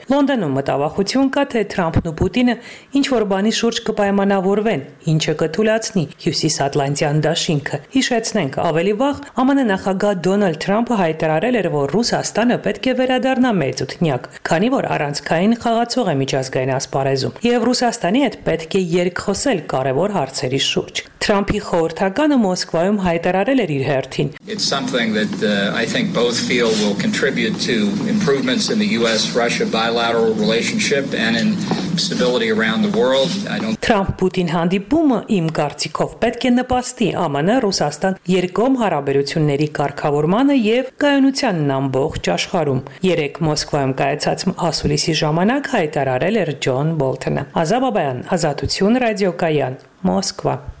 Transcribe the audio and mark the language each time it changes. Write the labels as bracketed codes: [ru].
[hy] Լոնդոնում մտավախություն կա, թե Թրամփն ու Պուտինը ինչ-որ բանի շուրջ կպայմանավորվեն, ինչը կթուլացնի Հյուսիսատլանտյան դաշինքը։ Հիշեցնենք, ավելի վաղ ԱՄՆ նախագահ Դոնալդ Թրամփը հայտարարել էր, որ Ռուսաստանը պետք է վերադառնա Մեծութնյակ, քանի որ առանցքային խաղացող է միջազգային ասպարեզում, և Ռուսաստանի հետ պետք է երկխոսել կարևոր հարցերի շուրջ։ Թրամփի խորհրդականը Մոսկվայում հայտարարել էր իր հերթին. [en] It's something that I think both feel will contribute to improvements in the US-Russia bilateral relationship and in stability around the world. [hy] Թրամփ-Պուտին հանդիպումը իմ կարծիքով պետք է նպաստի ԱՄՆ Ռուսաստան երկկողմ հարաբերությունների կարգավորմանը և գայունությանն ամբողջ աշխարհում։ Երեկ Մոսկվայում կայացած ասուլիսի ժամանակ հայտարարել էր Ջոն Բոլթոնը։ Ազա Բաբայան, Ազատություն ռադիոկայան, Մոսկվա։